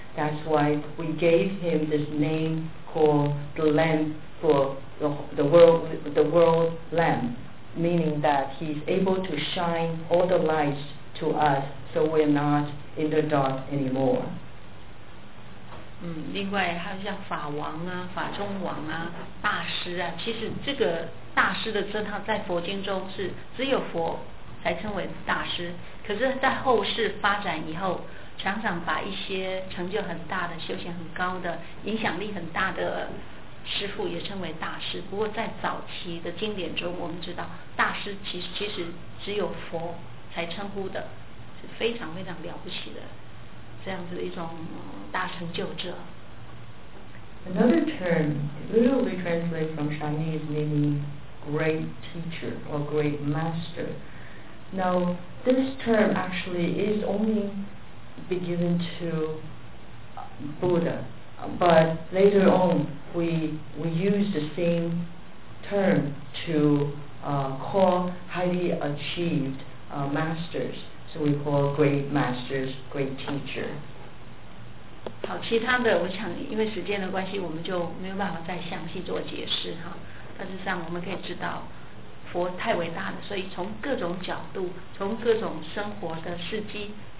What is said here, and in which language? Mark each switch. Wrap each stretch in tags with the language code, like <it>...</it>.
<en>That's why we gave him this name called the Lamb for the world Lamb, meaning that he's able to shine all the lights to us so we're not in the dark anymore.</en> <zh>另外还有像法王啊、法中王啊、大师啊，其实这个大师的称号在佛经中是只有佛才称为大师，可是在后世发展以后，常常把一些成就很大的、修行很高的、影响力很大的师父也称为大师。不过在早期的经典中，我们知道大师其实只有佛才称呼的，是非常非常了不起的这样子的一种大成就者。</zh> <en>Another term literally translates from Chinese meaning great teacher or great master. Now this term actually is only be given to Buddha, but later on we use the same term to call highly achieved masters. So we call great masters, great teacher.</en> <zh>好，其他的我想因为时间的关系，我们就没有办法再详细做解释哈。但是上我们可以知道，佛太伟大了，所以从各种角度，从各种生活的事迹。</zh>